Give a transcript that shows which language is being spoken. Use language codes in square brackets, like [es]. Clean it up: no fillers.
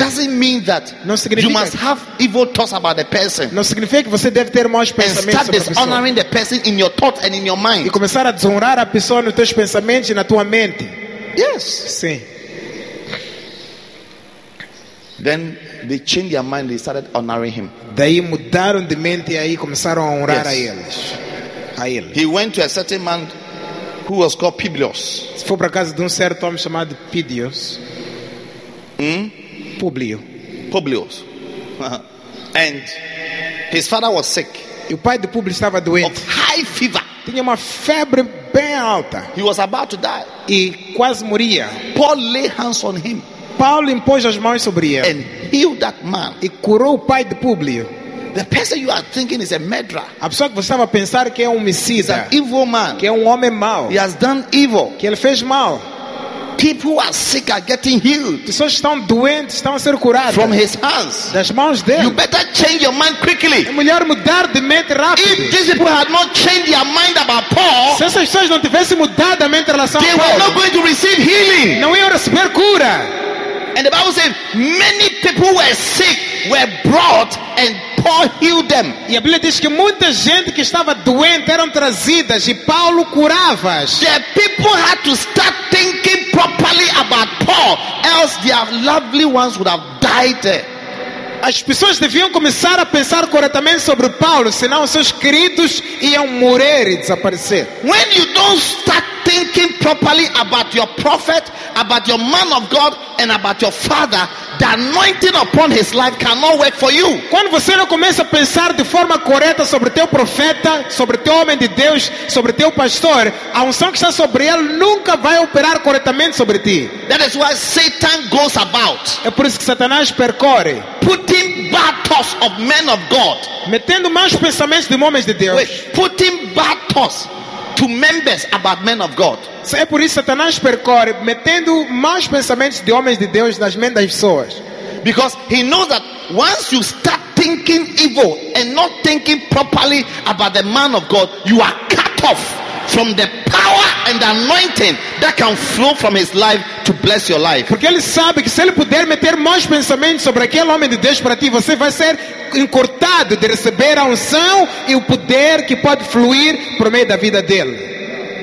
[en] Doesn't mean that you must have evil thoughts about the person. [pt] Não significa que você deve ter maus pensamentos sobre a pessoa. [en] And start dishonoring the person in your thoughts and in your mind. [pt] E começar a desonrar a pessoa nos teus pensamentos e na tua mente. [en] Yes. [pt] Sim. [en] Then they changed their mind. They started honoring him. [pt] Daí mudaram de mente e aí começaram a honrar a eles. A ele. [en] He went to a certain man who was called Publius. [pt] Foi para casa de certo homem chamado Publius. Publio. [en] Publius. And his father was sick. [pt] E o pai de Publio estava doente. [en] Of high fever. [pt] Tinha uma febre bem alta. [en] He was about to die. [pt] E quase moria. [en] Paul laid hands on him. [pt] Paulo impôs as mãos sobre ele. [en] And healed that man. [pt] E curou o pai de Publio. [en] The person you are thinking is a murderer. [pt] A pessoa que você estava a pensar que é homicida. [en] He's an evil man. [pt] Que é homem mau. [en] He has done evil. [pt] Que ele fez mal. [en] People who are sick are getting healed. [pt] Pessoas estão doentes, estão a ser curadas. [en] From his hands. [pt] Das mãos dele. [en] You better change your mind quickly. [pt] É melhor mudar de mente rápido. [en] If these people had not changed their mind about Paul, [pt] se essas pessoas não tivessem mudado a mente em relação a Paul, [en] they were not going to receive healing. [pt] Não iam receber cura. [en] And the Bible says many people were sick were brought and Paul healed them. [pt] E a Bíblia diz que muita gente que estava doente eram trazidas e Paulo curava. [en] The people had to start thinking properly about Paul, else their lovely ones would have died. [pt] As pessoas deviam começar a pensar corretamente sobre Paulo, senão seus queridos iam morrer e desaparecer. [en] When you don't start thinking properly about your prophet, about your man of God, and about your father, the anointing upon his life cannot work for you. [pt] Quando você não começa a pensar de forma correta sobre teu profeta, sobre teu homem de Deus, sobre teu pastor, a unção que está sobre ele nunca vai operar corretamente sobre ti. [en] That is why Satan goes about. [pt] É por isso que Satanás percorre. [en] Putting bad thoughts of men of God. [pt] Metendo maus pensamentos de homens de Deus. [en] Wait, putting bad thoughts to members about men of God. [pt] É por isso que Satanás percorre metendo maus pensamentos de homens de Deus nas mentes das pessoas. [en] Because he knows that once you start thinking evil and not thinking properly about the man of God, you are cut off from the power and anointing that can flow from his life to bless your life. [pt] Porque ele sabe que se ele puder meter maus pensamentos sobre aquele homem de Deus para ti, você vai ser encurtado de receber a unção e o poder que pode fluir por meio da vida dele.